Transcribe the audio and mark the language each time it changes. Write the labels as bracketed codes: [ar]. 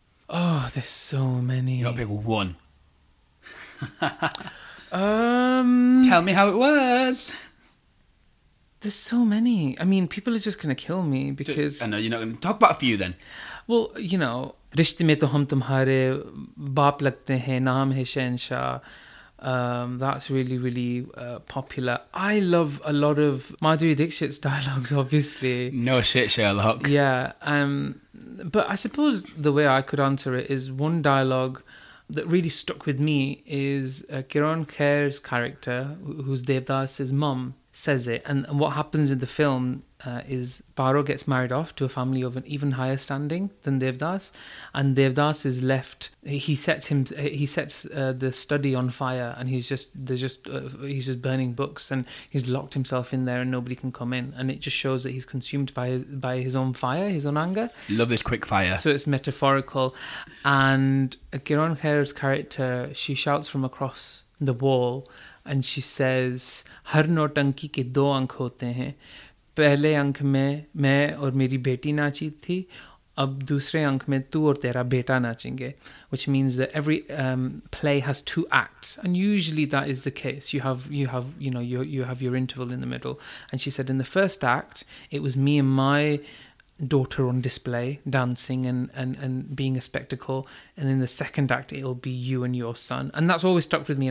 [en] Oh, there's so many. You got to pick one. Tell me how it was. There's so many. I mean, people are just going to kill me because... I know, you're not going to talk about a few then. Well, you know... [hi] रिश्ते में तो हम तुम्हारे बाप लगते हैं, नाम है शहंशाह. [en] That's really, really popular. I love a lot of Madhuri Dixit's dialogues, obviously. No shit, Sherlock. Yeah, but I suppose the way I could answer it is one dialogue that really stuck with me is Kiran Kher's character, who's Devdas's mum. says it. And what happens in the film is Paro gets married off to a family of an even higher standing than Devdas. And Devdas is left. He sets the study on fire, and he's just burning books, and he's locked himself in there and nobody can come in. And it just shows that he's consumed by his own fire, his own anger. Love this quick fire. So it's metaphorical. And Giron Herr's character, she shouts from across the wall, and she says, [hi] "Har nautanki ke do ankh hote hain. पहले अंक में मैं और मेरी बेटी नाची थी. अब दूसरे अंक में तू और तेरा बेटा नाचेंगे." [en] Which means that every play has two acts, and usually that is the case. You have your interval in the middle. And she said, in the first act, it was me and my daughter on display, dancing and being a spectacle. And in the second act, it'll be you and your son. And that's always stuck with me.